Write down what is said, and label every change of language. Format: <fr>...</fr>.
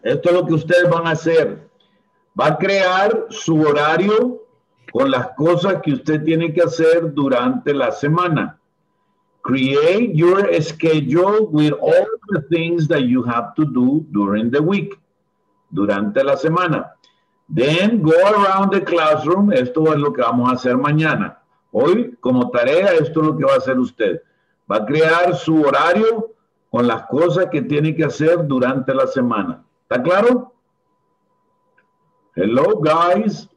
<es>Esto es lo que ustedes van a hacer. Va a crear su horario con las cosas que usted tiene que hacer durante la semana.</es> <en>Create your schedule with all the things that you have to do during the week,</en> <es>durante la semana.</es> <en>Then go around the classroom.</en> <es>Esto es lo que vamos a hacer mañana. Hoy, como tarea, esto es lo que va a hacer usted. Va a crear su horario con las cosas que tiene que hacer durante la semana. ¿Está claro?</es> <en>Hello, guys.</en>